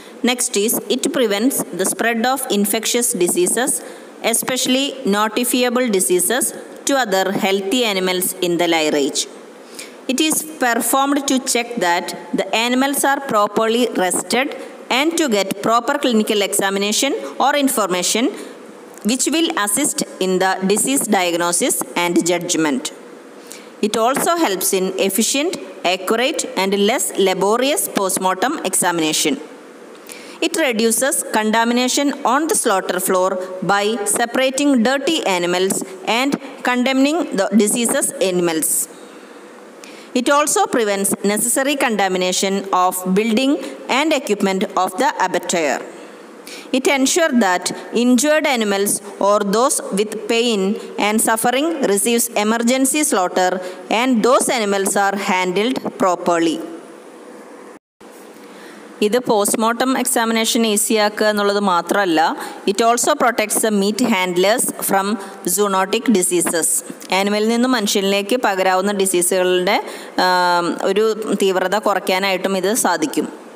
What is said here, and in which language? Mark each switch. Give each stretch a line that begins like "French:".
English: Next is it prevents the spread of infectious diseases especially notifiable diseases to other healthy animals in the lairage. It is performed to check that the animals are properly rested and to get proper clinical examination or information which will assist in the disease diagnosis and judgment. It also helps in efficient, accurate and less laborious postmortem examination. It reduces contamination on the slaughter floor by separating dirty animals and condemning the diseased animals. It also prevents necessary contamination of building and equipment of the abattoir. It ensures that injured animals or those with pain and suffering receives emergency slaughter and those animals are handled properly.
Malayalam: ഇത് postmortem examination easy ആക്കുക എന്നുള്ളത് മാത്രമല്ല,
English: It also protects the meat handlers from zoonotic diseases.
Malayalam: ആനിമലിൽ നിന്ന് മനുഷ്യനിലേക്ക് പകരാവുന്ന ഡിസീസുകളുടെ ഒരു തീവ്രത കുറയ്ക്കാനായിട്ടും ഇത് സാധിക്കും.